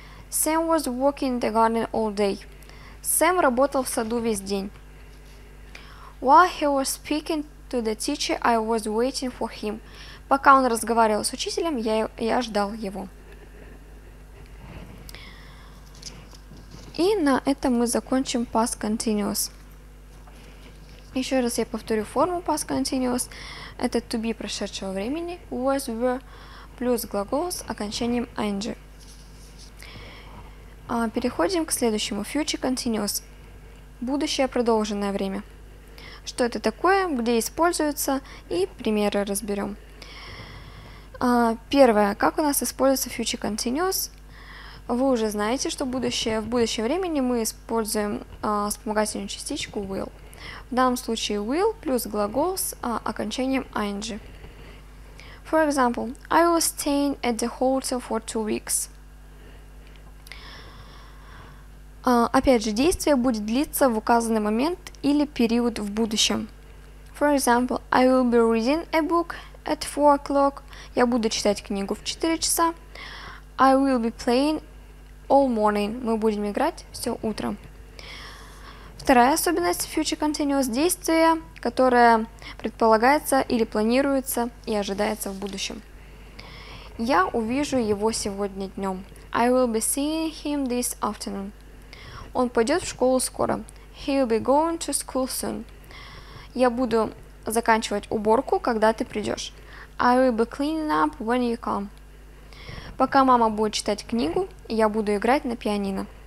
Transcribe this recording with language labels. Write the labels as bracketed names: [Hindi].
[English] Sam was walking in the garden all day. [Russian] Сэм работал в саду весь день. [English] While he was speaking to the teacher, I was waiting for him. [Russian] Пока он разговаривал с учителем, я ждал его. И на этом мы закончим past continuous. Еще раз я повторю форму past continuous. Это to be прошедшего времени, was, were, плюс глагол с окончанием ing. Переходим к следующему, future continuous. Будущее продолженное время. Что это такое, где используется, и примеры разберем. Первое, как у нас используется future continuous? Вы уже знаете, что будущее, в будущем времени мы используем вспомогательную частичку will. В данном случае will плюс глагол с окончанием ing. [English] For example, I will stay at the hotel for 2 weeks. [Russian] Опять же, действие будет длиться в указанный момент или период в будущем. [English] For example, I will be reading a book at 4 o'clock. [Russian] Я буду читать книгу в 4 часа. [English] I will be playing all morning. [Russian] Мы будем играть все утро. Вторая особенность future continuous – действие, которое предполагается или планируется и ожидается в будущем. Я увижу его сегодня днем. [English] I will be seeing him this afternoon. [Russian] Он пойдет в школу скоро. [English] He will be going to school soon. [Russian] Я буду заканчивать уборку, когда ты придешь. [English] I will be cleaning up when you come. [Russian] Пока мама будет читать книгу, я буду играть на пианино.